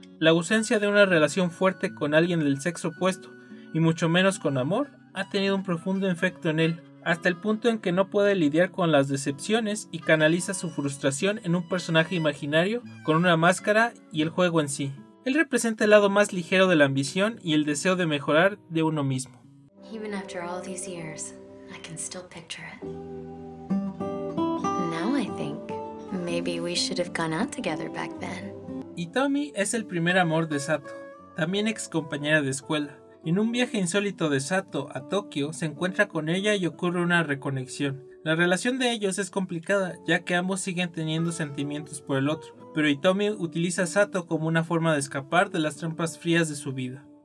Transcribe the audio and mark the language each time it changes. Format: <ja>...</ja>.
<es>La ausencia de una relación fuerte con alguien del sexo opuesto, y mucho menos con amor, ha tenido un profundo efecto en él, hasta el punto en que no puede lidiar con las decepciones y canaliza su frustración en un personaje imaginario con una máscara y el juego en sí. Él representa el lado más ligero de la ambición y el deseo de mejorar de uno mismo.</es> <en>Even after all these years, I can still picture it. Now I think maybe we should have gone out together back then.</en> <es>Itomi es el primer amor de Sato, también ex compañera de escuela. En un viaje insólito de Sato a Tokio, se encuentra con ella y ocurre una reconexión. La relación de ellos es complicada, ya que ambos siguen teniendo sentimientos por el otro, pero Itomi utiliza a Sato como una forma de escapar de las trampas frías de su vida.</es>